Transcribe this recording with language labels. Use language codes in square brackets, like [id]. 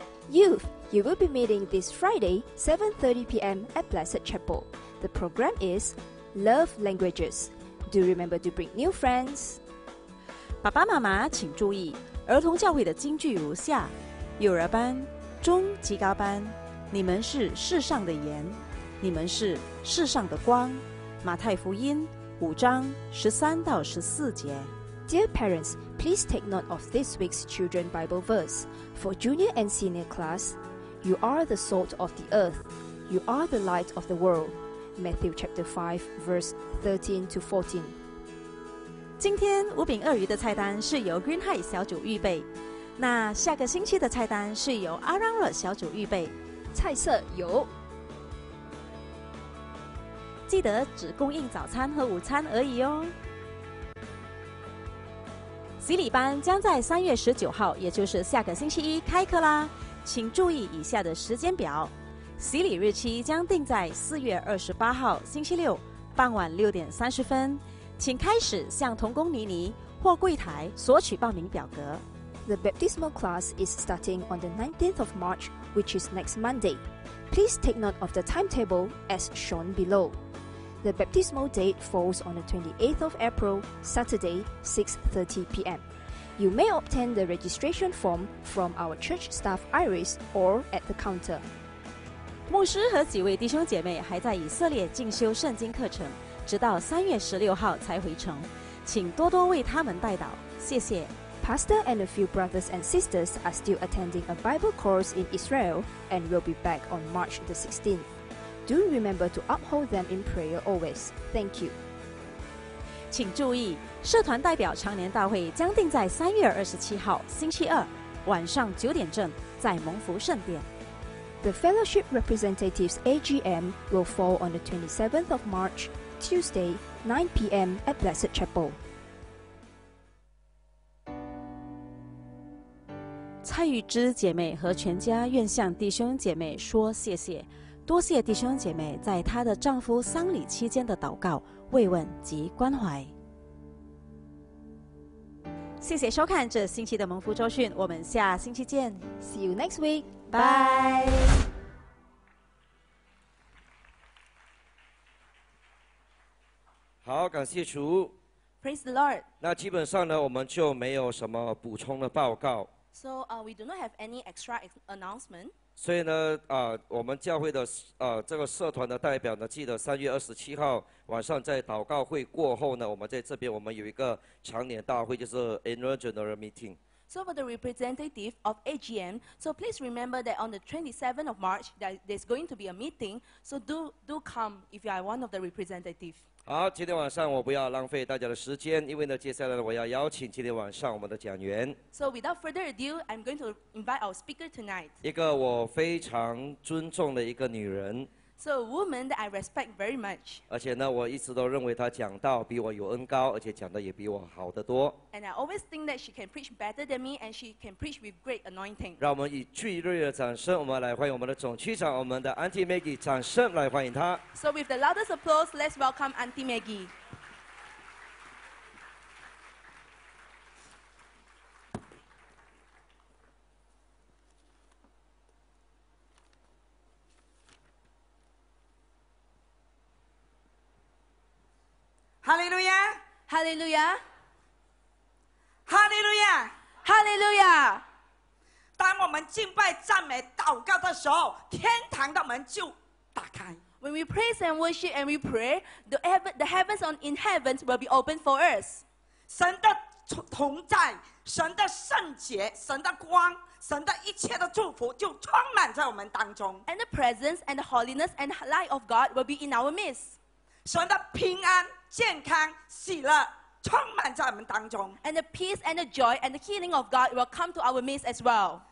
[en] Youth, you will be meeting this Friday, 7:30 PM at Blessed Chapel. The program is Love Languages. Do remember to bring new friends. [zh] 爸爸妈妈请注意，儿童教会的金句如下：幼儿班、中及高班，你们是世上的盐，你们是世上的光。马太福音5:13-14。 [en] Dear parents, please take note of this week's children Bible verse for junior and senior class. You are the salt of the earth. You are the light of the world. Matthew chapter 5:13-14. [zh] 今天五饼二鱼的菜单是由 Green High 小组预备，那下个星期的菜单是由 Aranra 小组预备，菜色有，记得只供应早餐和午餐而已哦。洗礼班将在3月19日，也就是下个星期一开课啦，请注意以下的时间表：洗礼日期将定在4月28日星期六6:30。请开始向童工妮妮或柜台索取报名表格。 [en] The baptismal class is starting on the 19th of March, which is next Monday. Please take note of the timetable as shown below. The baptismal date falls on the 28th of April, Saturday, 6:30 PM. You may obtain the registration form from our church staff Iris or at the counter. [zh] 牧师和几位弟兄姐妹还在以色列进修圣经课程。直到3月16日才回城，请多多为他们代祷，谢谢。 [en] Pastor and a few brothers and sisters are still attending a Bible course in Israel and will be back on March 16th. Do remember to uphold them in prayer always. Thank you. [zh] 请注意，社团代表常年大会将定在3月27日星期二晚上9:00在蒙福圣殿。 [en] The Fellowship Representatives AGM will fall on the 27th of March. Tuesday, 9 p.m. at Blessed Chapel. [zh] 蔡玉芝姐妹和全家愿向弟兄姐妹说谢谢，多谢弟兄姐妹在她的丈夫丧礼期间的祷告、慰问及关怀。谢谢收看这星期的蒙福周讯，我们下星期见。 [en] See you next week. Bye. Praise the Lord. [zh] 那基本上呢，我们就没有什么补充的报告。 [en] So, we do not have any extra announcement. [zh] 所以呢，我们教会的这个社团的代表呢，记得3月27日晚上在祷告会过后呢，我们在这边我们有一个常年大会，就是 annual general meeting. [en] So for the representative of AGM, so please remember that on the 27th of March, there's going to be a meeting. So do come if you are one of the representatives. [zh] 好，今天晚上我不要浪费大家的时间，因为呢，接下来我要邀请今天晚上我们的讲员。 [en] So without further ado, I'm going to invite our speaker tonight. [zh] 一个我非常尊重的一个女人。 [en] So a woman that I respect very much. [zh] 而且呢，我一直都认为她讲道比我有恩高，而且讲的也比我好得多。 [en] And I always think that she can preach better than me, and she can preach with great anointing. [zh] 让我们以最热烈的掌声，我们来欢迎我们的总区长，我们的 Auntie Maggie， 掌声来欢迎她。 [en] So with the loudest applause, let's welcome Auntie Maggie. Hallelujah! Hallelujah! Hallelujah! Hallelujah! [zh] 当我们敬拜、赞美、祷告的时候，天堂的门就打开。 [en] When we praise and worship and we pray, the heavens on in heavens will be open for us. [zh] 神的同在、神的圣洁、神的光、神的一切的祝福就充满在我们当中。 [en] And the presence and the holiness and light of God will be in our midst. [zh] 神的平安。健康、喜乐充满在我们当中 [en] ，and the peace and the joy and the healing of God will come to our midst as well.